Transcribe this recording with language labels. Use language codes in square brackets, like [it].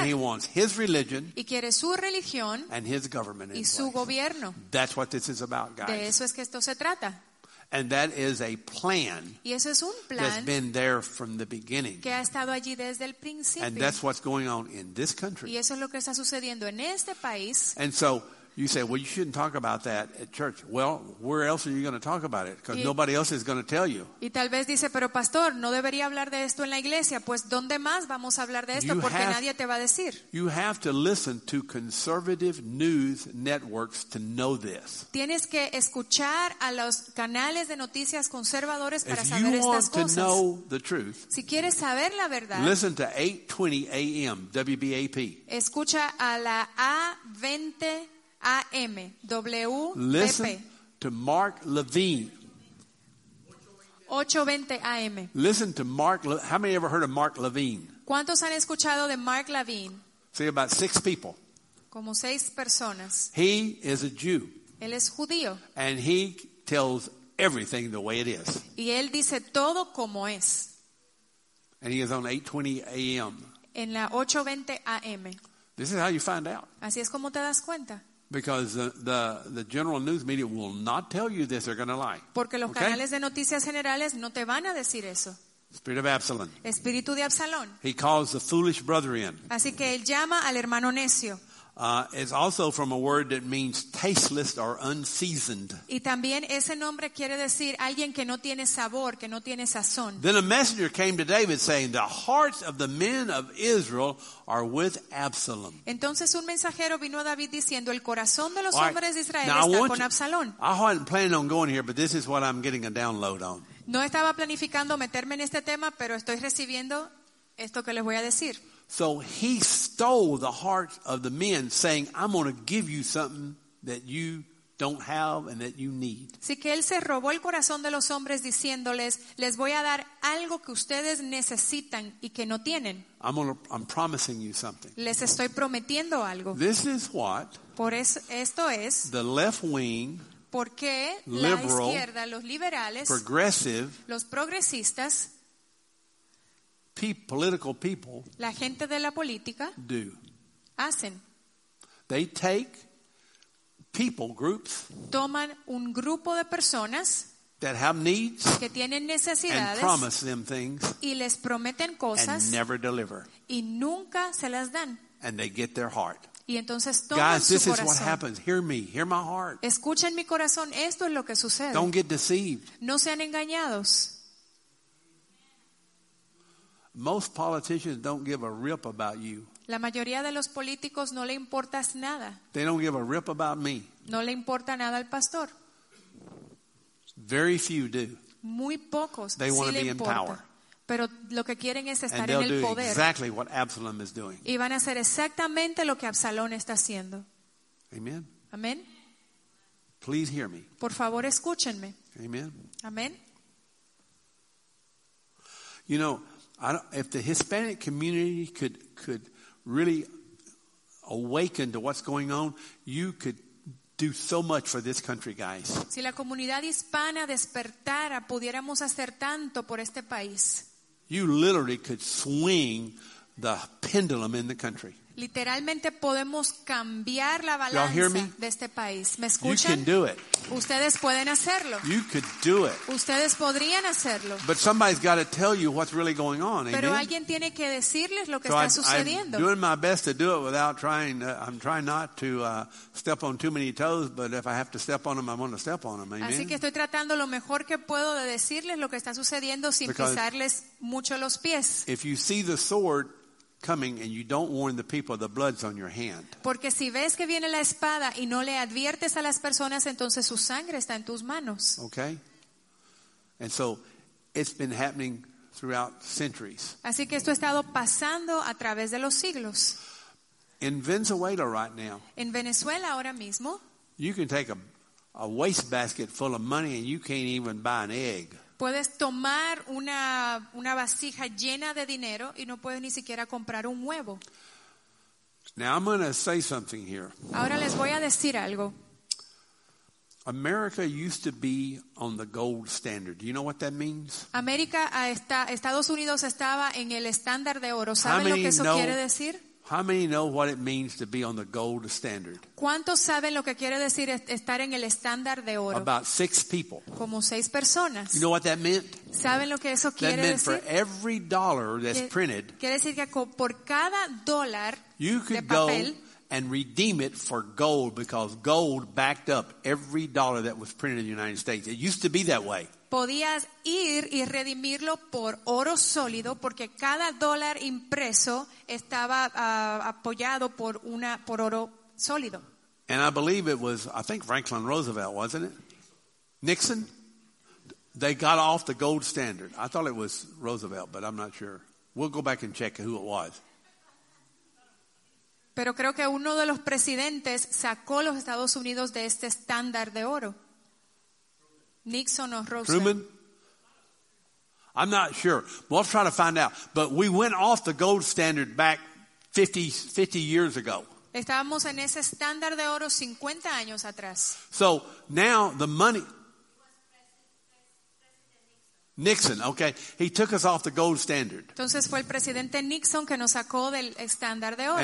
[en] And he wants his religion. [es] Y quiere su religión. [en] And his government [es] y su [en] place. [es] Gobierno. [en] That's what this is about, guys. [es] De eso es que esto se trata. [en] And that is a plan. [es] Y eso es un plan. [en] That's been there from the beginning. [es] Que ha estado allí desde el principio. [en] And that's what's going on in this country. [es] Y eso es lo que está sucediendo en este país. [en] And so you say, well, you shouldn't talk about that at church. Well, where else are you going to talk about it? Because nobody else is going to tell you. [es] Y tal vez dice, pero pastor, no debería hablar de esto en la iglesia. Pues, ¿dónde más vamos a hablar de esto? Porque nadie te va a decir. [en] You have to listen to conservative news networks to know this. [es] Tienes que escuchar a los canales de noticias conservadores para saber estas cosas. [en] If you want know the truth, [es] si quieres saber la verdad, [en] listen to 820 AM WBAP. [es] Escucha a la A20 AM, WPP. [en] Listen to Mark Levine. 820 AM. Listen to Mark. How many ever heard of Mark Levine? [es] ¿Cuántos han escuchado de Mark Levine? [en] See, about six people. [es] Como seis personas. [en] He is a Jew. [es] Él es judío. [en] And he tells everything the way it is. [es] Y él dice todo como es. [en] And he is on 820 AM. [es] En la 820 AM. [en] This is how you find out. [es] Así es como te das cuenta. [en] Because the general news media will not tell you this, they're going to lie. [es] Porque los canales de noticias generales no te van a decir eso. [en] Spirit of Absalom. [es] Espíritu de Absalón. [en] He calls the foolish brother in. [es] Así que él llama al hermano necio. [en] It's also from a word that means tasteless or unseasoned. [es] Y también ese nombre quiere decir alguien que no tiene sabor, que no tiene sazón. [en] Then a messenger came to David saying, "The hearts of the men of Israel are with Absalom." [es] Entonces un mensajero vino a David diciendo, "El corazón de los hombres de Israel está con Absalón." [en] I wasn't planning on going here, but this is what I'm getting a download on. [es] No estaba planificando meterme en este tema, pero estoy recibiendo esto que les voy a decir. [en] So he stole the heart of the men, saying, "I'm going to give you something that you don't have and that you need." [es] Así que él se robó el corazón de los hombres, diciéndoles, "Les voy a dar algo que ustedes necesitan y que no tienen." [en] I'm promising you something. [es] Les estoy prometiendo algo. [en] This is what. [es] Por eso esto es. [en] The left wing. [es] ¿Por qué la izquierda, los liberales, [en] progressive, [es] los progresistas? [en] Political people, [es] la gente de la política, [en] do, [es] hacen. [en] They take people groups, [es] toman un grupo de personas, [en] that have needs, [es] que tienen necesidades, [en] and promise them things, [es] y les prometen cosas, [en] and never deliver, [es] y nunca se las dan, [en] and they get their heart. [es] Y entonces toman su corazón. [en] Guys, this is what happens. Hear me, hear my heart. [es] Escuchen mi corazón. Esto es lo que sucede. [en] Don't get deceived. [es] No sean engañados. [en] Most politicians don't give a rip about you. [es] La mayoría de los políticos no le importas nada. [en] They don't give a rip about me. [es] No le importa nada al pastor. [en] Very few do. [es] Muy pocos. [en] They [es] sí [en] want to [es] le [en] be [es] importa. [en] In power. [es] Pero lo que quieren es estar [en] and they'll [es] en el [en] do [es] poder. [en] Exactly what Absalom is doing. [es] Y van a hacer exactamente lo que Absalón está haciendo. [en] Amen. [es] Amen. [en] Please hear me. [es] Por favor, escúchenme. [en] Amen. [es] Amen. [en] You know, I don't, if the Hispanic community could really awaken to what's going on, you could do so much for this country, guys. [es] Si la comunidad hispana despertara, pudiéramos hacer tanto por este país. [en] You literally could swing the pendulum in the country. [es] Literalmente podemos cambiar la balanza de este país. ¿Me escuchan? [en] You can do it. [es] Ustedes pueden hacerlo. [en] You could do it. [es] Ustedes podrían hacerlo. [en] But somebody's got to tell you what's really going on. [es] Pero [en] amen? [es] Alguien tiene que decirles lo que [en] so [es] está sucediendo. [en] I'm doing my best to do it without trying. I'm trying not to step on too many toes, but if I have to step on them, I want to step on them. Amen? [es] Así que estoy tratando lo mejor que puedo de decirles lo que está sucediendo sin [en] Because [es] pisarles mucho los pies. [en] If you see the sword coming and you don't warn the people, the blood's on your hand. [es] Porque si ves que viene la espada y no le adviertes a las personas, entonces su sangre está en tus manos. [en] Okay. And so it's been happening throughout centuries. [es] Así que esto ha estado pasando a través de los siglos. [en] In Venezuela right now. [es] En Venezuela ahora mismo. [en] You can take a waste basket full of money and you can't even buy an egg. [es] Puedes tomar una vasija llena de dinero y no puedes ni siquiera comprar un huevo. [en] Now I'm going to say something here. [es] Ahora les voy a decir algo. [en] America used to be on the gold standard. Do you know what that means? [es] América está, Estados Unidos estaba en el estándar de oro. ¿Saben lo que eso quiere decir? [en] How many know what it means to be on the gold standard? [es] ¿Cuántos saben lo que quiere decir estar en el estándar de oro? [en] About six people. [es] Como seis personas. [en] You know what that meant? [es] ¿Saben lo que eso quiere decir? [en] That meant for every dollar that's printed. [es] Quiere decir que por cada dólar de papel. [en] You could go and redeem it for gold because gold backed up every dollar that was printed in the United States. It used to be that way. [es] Podías ir y redimirlo por oro sólido porque cada dólar impreso estaba apoyado por oro sólido. [en] And I believe it was, I think Franklin Roosevelt, wasn't it? Nixon? They got off the gold standard. I thought it was Roosevelt, but I'm not sure. We'll go back and check who it was. [es] Pero creo que uno de los presidentes sacó los Estados Unidos de este estándar de oro. [en] Nixon or Roosevelt. Truman? I'm not sure. We'll try to find out. But we went off the gold standard back 50 years ago. [es] Estábamos en ese estándar de oro 50 años atrás. [en] So now the money. Nixon, okay. He took us off the gold standard. [es] Entonces fue el presidente Nixon que nos sacó del estándar de oro.